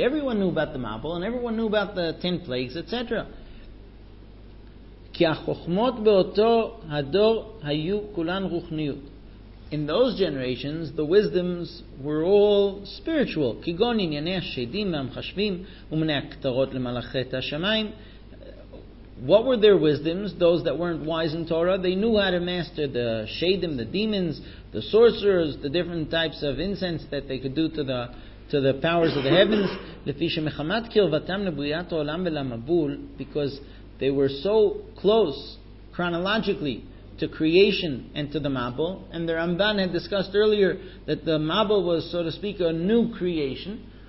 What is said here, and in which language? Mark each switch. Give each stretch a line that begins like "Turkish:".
English: Everyone knew about the Mabul, and everyone knew about the 10 plagues, etc.
Hebrew: כי החוכמות באותו הדור היו כולן רוחניות.
English: In those generations, the wisdoms were all spiritual.
Hebrew: כגון ענייני השדים והמחשבים ומני הכתרות למלאכי את השמיים.
English: What were their wisdoms, those that weren't wise in Torah? They knew how to master the shedim, the demons, the sorcerers, the different types of incense that they could do to the powers of the heavens.
Hebrew: לפי שמחמת קרבתם לבריאת העולם ולמבול,
English: because they were so close chronologically to creation and to the Mabul, and the Ramban had discussed earlier that the Mabul was, so to speak, a new creation.